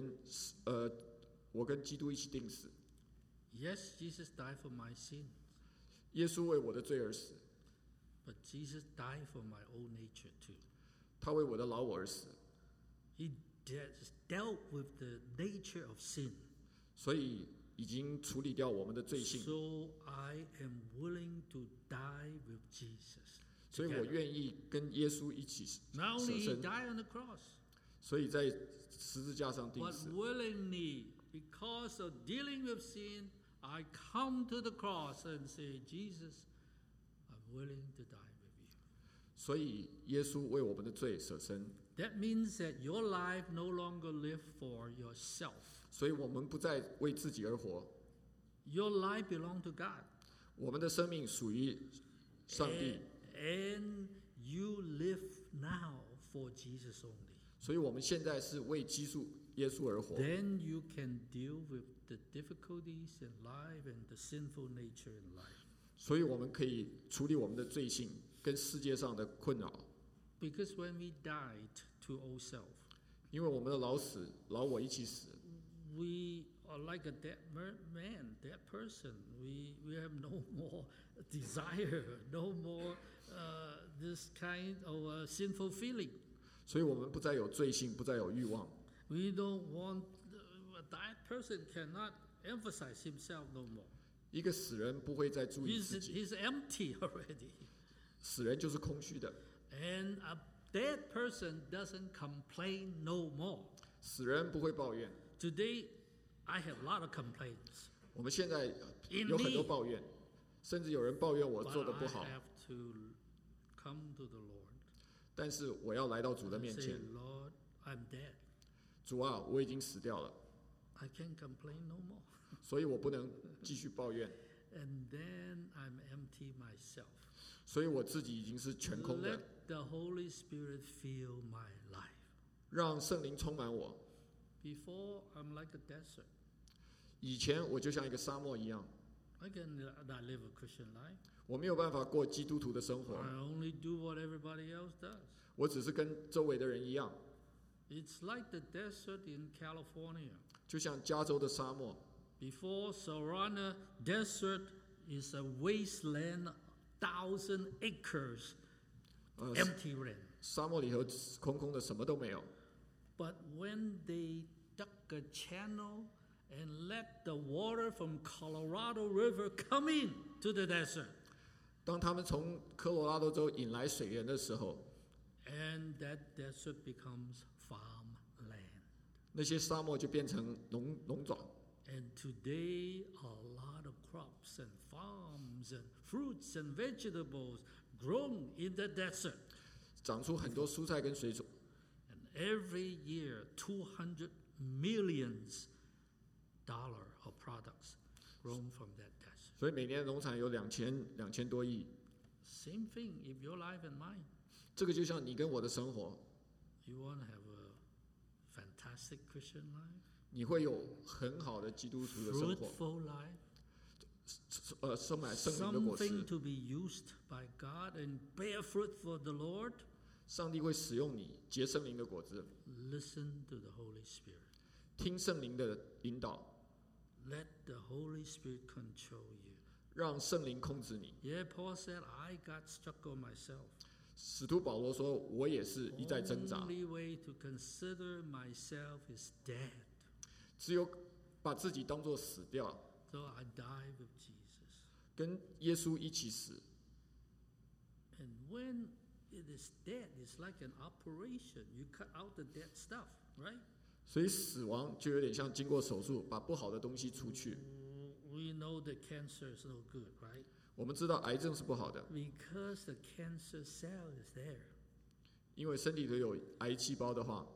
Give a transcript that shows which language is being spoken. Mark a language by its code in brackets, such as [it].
[zh] 因为圣灵的全大能，所以我跟基督一起钉死。 [en] Yes, Jesus died for my sins. [zh] 耶稣为我的罪而死。 [en] But Jesus died for my old nature too. [zh] 他为我的老我而死。 [en] He dealt with the nature of sin. [zh] 所以 已经处理掉我们的罪性。 [en] So I am willing to die with Jesus. [zh] 所以我愿意跟耶稣一起舍身。 [en] Not only he died on the cross. [zh] 所以在十字架上钉死。 [en] But willingly, because of dealing with sin, I come to the cross and say, Jesus, I'm willing to die with you. [zh] 所以耶稣为我们的罪舍身。 [en] That means that your life no longer lives for yourself. [zh] 所以我们不再为自己而活。 [en] Your life belongs to God. [zh] 我们的生命属于上帝。 [en] And you live now for Jesus only. [zh] 所以我们现在是为基督耶稣而活。 [en] Then you can deal with the difficulties in life and the sinful nature in life. [zh] 所以我们可以处理我们的罪性跟世界上的困扰。 [en] Because when we died to old self, [zh] 因为我们的老死，老我一起死。 [en] We are like a dead man, dead person. We have no more desire, no more this kind of a sinful feeling. [zh] 所以我们不再有罪性，不再有欲望。 [en] We don't want a dead person cannot emphasize himself no more. [zh] 一个死人不会再注意自己。 [en] He's empty already. [zh] 死人就是空虚的。 [en] And a dead person doesn't complain no more. [zh] 死人不会抱怨。 [en] Today, I have a lot of complaints. [zh] 我们现在有很多抱怨, [en] Indeed, [zh] 甚至有人抱怨我做得不好。 [en] But I have to come to the Lord. [zh] 但是我要来到主的面前。 [en] Say, Lord, I'm dead. [zh] 主啊, 我已经死掉了。 [en] I can't complain no more. [zh] 所以我不能继续抱怨。 [en] And then I'm empty myself. [zh] 所以我自己已经是全空的。 [en] Let the Holy Spirit fill my life. [zh] 让圣灵充满我。 [en] Before, I'm like a desert. [zh] 以前我就像一个沙漠一样。 [en] I cannot live a Christian life. [zh] 我没有办法过基督徒的生活。 [en] I only do what everybody else does. [zh] 我只是跟周围的人一样。 [en] It's like the desert in California. [zh] 就像加州的沙漠。 [en] Before Sarana, desert is a wasteland, 1,000 acres, empty land. [zh] 沙漠里头空空的，什么都没有。 [en] But when they dug a channel and let the water from Colorado River come in to the desert, [zh] 当他们从科罗拉多州引来水源的时候， [en] and that desert becomes farmland. [zh] 那些沙漠就变成农庄。 [en] And today, a lot of crops and farms and fruits and vegetables grown in the desert. [zh] 长出很多蔬菜跟水果。 [en] And every year, 200 million dollars of products grown from that desert. [zh] 所以每年农场有两千多亿。 [en] Same thing if your life and mine. [zh] 这个就像你跟我的生活。 [en] You want to have a fantastic Christian life? [zh] 你会有很好的基督徒的生活。 [en] Fruitful life, [zh] 充满圣灵的果实。 [en] Something to be used by God and bear fruit for the Lord. [zh] 上帝会使用你结圣灵的果子。 [en] Listen to the Holy Spirit. [zh] 听圣灵的引导。 [en] Let the Holy Spirit control you. [zh] 让圣灵控制你。 [en] Yeah, Paul said, I got stuck on myself. [zh] 使徒保罗说，我也是一再挣扎。 [en] Only way to consider myself is dead. [zh] 只有把自己当作死掉， [en] so、I die with Jesus. [zh] 跟耶稣一起死。 [en] And when it is dead, it's like an operation. You cut out the dead stuff, right? [zh] 所以死亡就有点像经过手术，把不好的东西除去。 [en] We know the cancer is no good, right? [zh] 我们知道癌症是不好的。 [en] Because the cancer cell is there. [zh] 因为身体里有癌细胞的话。